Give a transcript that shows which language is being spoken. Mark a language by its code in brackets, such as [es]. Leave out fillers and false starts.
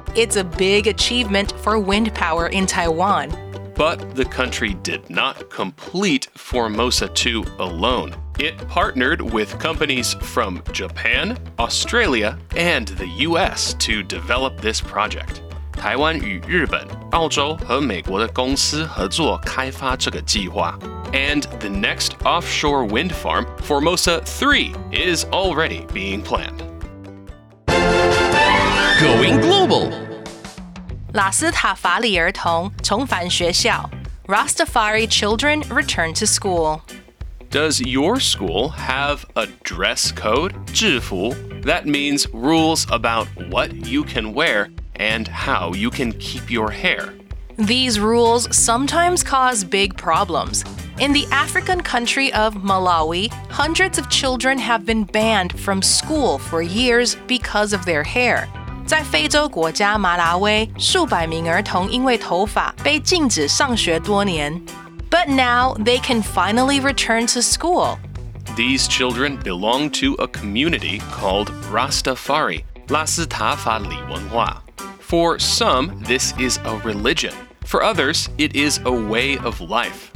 [en] It's a big achievement for wind power in Taiwan. But the country did not complete Formosa 2 alone. It partnered with companies from Japan, Australia, and the US to develop this project. [zh] 台湾与日本、澳洲和美国的公司合作开发这个计划。 [en] And the next offshore wind farm, Formosa 3, is already being planned. Going global! [zh] 拉斯塔法里兒童重返學校 [en] Rastafari Children Return to School. Does your school have a dress code? [zh] 制服 [en] That means rules about what you can wear and how you can keep your hair. These rules sometimes cause big problems. In the African country of Malawi, hundreds of children have been banned from school for years because of their hair. [zh] 在非洲国家马拉威，数百名儿童因为头发被禁止上学多年。 [en] But now, they can finally return to school. These children belong to a community called Rastafari, [zh] 拉斯塔法里文化。 [en] For some, this is a religion. For others, it is a way of life,